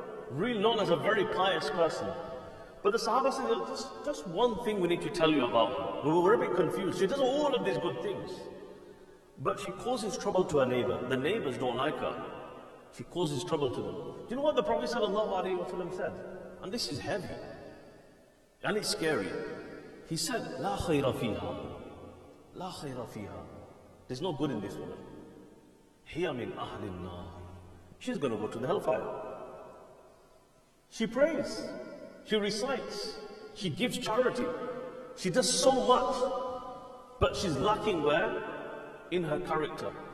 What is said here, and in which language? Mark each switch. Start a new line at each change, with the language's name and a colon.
English: Really known as a very pious person. But the sahaba said, just one thing we need to tell you about her. We were a bit confused. She does all of these good things. But she causes trouble to her neighbor. The neighbors don't like her. She causes trouble to them. Do you know what the Prophet sallallahu alaihi wasallam said? And this is heavy. And it's scary. He said,
Arabic: لا خير فيها. لا خير فيها.
English: There's no good in this woman.
Arabic: هي من أهل النار.
English: She's going to go to the hellfire. She prays. She recites, she gives charity, she does so much, but she's lacking where? In her character.